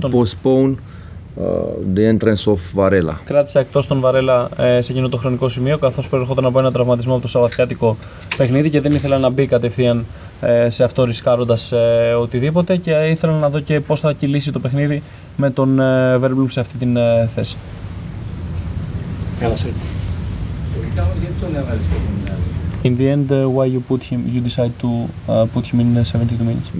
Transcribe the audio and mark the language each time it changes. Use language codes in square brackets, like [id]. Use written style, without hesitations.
[en] and to postpone the entrance of Varela. [el] Κράτησα εκτός τον Βαρέλα σε εκείνο το χρονικό σημείο, καθώς προερχόταν από ένα τραυματισμό από το σαββατιάτικο παιχνίδι και δεν ήθελα να μπει κατευθείαν σε αυτό ρισκάροντας οτιδήποτε και ήθελα να δω και πώς θα κυλήσει το παιχνίδι με τον Verbloom σε αυτή την θέση. Καλώς ήρθατε. [en] In the end, why you put him? You decide to put him in 72 minutes?